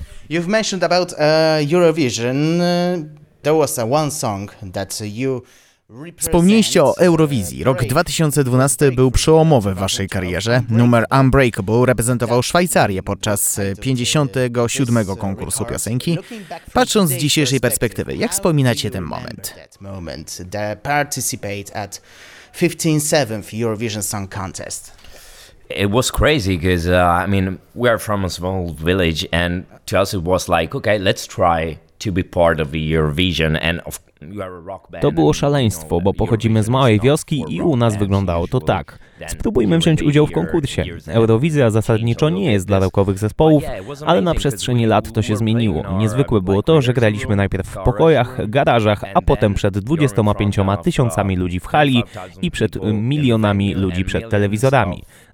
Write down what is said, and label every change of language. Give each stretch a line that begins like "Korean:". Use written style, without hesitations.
English: You've mentioned about Eurovision. There was one song that you
Polish: Wspomnieliście o Eurowizji. Rok 2012 był przełomowy w waszej karierze. Numer Unbreakable reprezentował Szwajcarię podczas 57. konkursu piosenki. Patrząc z dzisiejszej perspektywy, jak wspominacie ten moment?
English: Participate at 57th Eurovision Song Contest. It was crazy because we are from a small village and to us it was like, okay, let's try to be part of the Eurovision and of
Polish: To było szaleństwo, bo pochodzimy z małej wioski i u nas wyglądało to tak. Spróbujmy wziąć udział w konkursie. Eurowizja zasadniczo nie jest dla rockowych zespołów, ale na przestrzeni lat to się zmieniło. Niezwykłe było to, że graliśmy najpierw w pokojach, garażach, a potem przed 25 tysiącami ludzi w hali i przed milionami ludzi przed telewizorami.